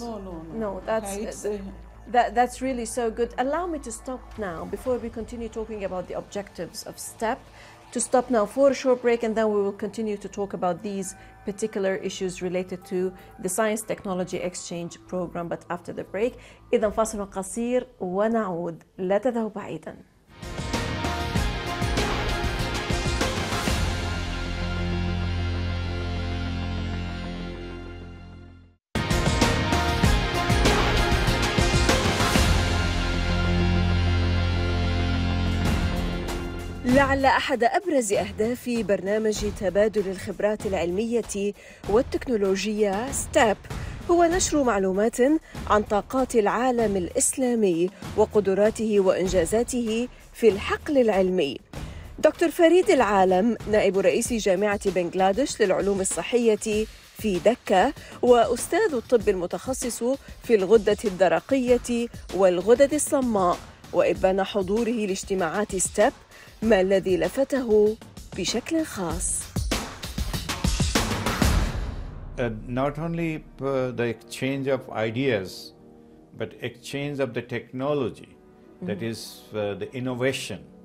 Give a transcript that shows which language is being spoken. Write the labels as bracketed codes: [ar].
[en] No. That's really so good. Allow me to stop now before we continue talking about the objectives of STEP, to stop now for a short break, and then we will continue to talk about these particular issues related to the Science Technology Exchange Program. But after the break, [ar] إذا فاصل قصير ونعود لا تذهب بعيدا. لعل أحد أبرز أهداف برنامج تبادل الخبرات العلمية والتكنولوجيا STEP هو نشر معلومات عن طاقات العالم الإسلامي وقدراته وإنجازاته في الحقل العلمي. دكتور فريد العالم، نائب رئيس جامعة بنغلاديش للعلوم الصحية في دكة وأستاذ الطب المتخصص في الغدة الدرقية والغدد الصماء، وإبان حضوره لاجتماعات STEP، ما الذي لفته بشكل خاص؟ [en] Not only the exchange of ideas, but exchange of the technology, that is the innovation.